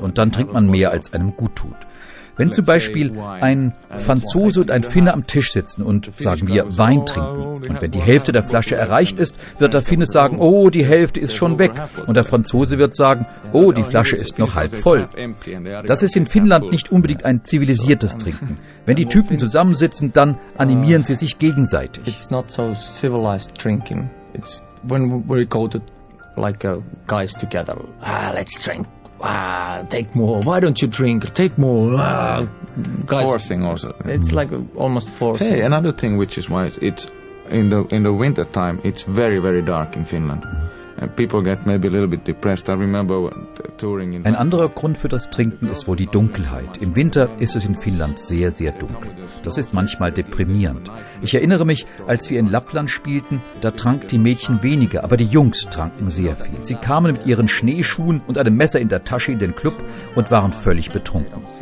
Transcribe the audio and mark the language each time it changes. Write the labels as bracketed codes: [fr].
[de] Und dann trinkt man mehr, als einem gut tut. Wenn zum Beispiel ein Franzose und ein Finne am Tisch sitzen und, sagen wir, Wein trinken, und wenn die Hälfte der Flasche erreicht ist, wird der Finne sagen, oh, die Hälfte ist schon weg, und der Franzose wird sagen, oh, die Flasche ist noch halb voll. Das ist in Finnland nicht unbedingt ein zivilisiertes Trinken. Wenn die Typen zusammensitzen, dann animieren sie sich gegenseitig. [en] It's not so civilized drinking. It's when we go to like guys together, let's drink. Take more. Why don't you drink? Take more. Guys, forcing also. It's like almost forcing. Hey, another thing which is wise. It's in the winter time. It's very very dark in Finland. People get maybe a little bit depressed. I remember touring in. [de] Ein anderer Grund für das Trinken ist wohl die Dunkelheit. Im Winter ist es in Finnland sehr sehr dunkel. Das ist manchmal deprimierend. Ich erinnere mich, als wir in Lappland spielten, da tranken die Mädchen weniger, aber die Jungs tranken sehr viel. Sie kamen mit ihren Schneeschuhen und einem Messer in der Tasche in den Club und waren völlig betrunken.